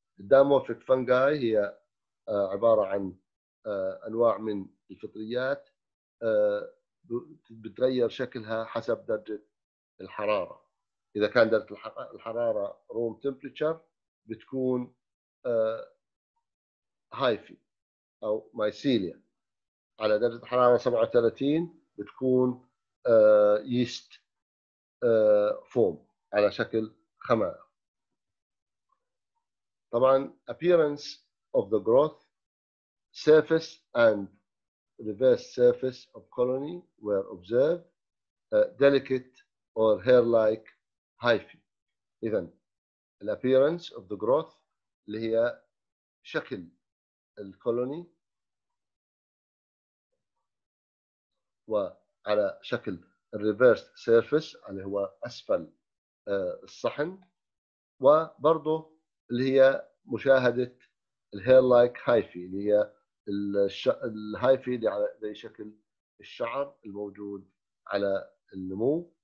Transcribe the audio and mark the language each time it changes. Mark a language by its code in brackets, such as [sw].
[ar] الدايمورفيك فانجاي هي عباره عن انواع من الفطريات بتغير شكلها حسب درجه الحراره، اذا كان درجه الحراره روم تمبريتشر بتكون هايفي او مايسيليا، على درجه حراره 37 بتكون يست فوم على شكل خمائر. [en] طبعا appearance of the growth surface and reverse surface of colony were observed delicate or hair like hyphae. [ar] اذا [en] appearance of the growth [ar] اللي هي شكل الكولوني وعلى شكل الريفيرس سيرفيس اللي هو اسفل الصحن، وبرضه اللي هي مشاهده الهير لايك هايفي اللي هي الهايفي اللي على زي شكل الشعر الموجود على النمو.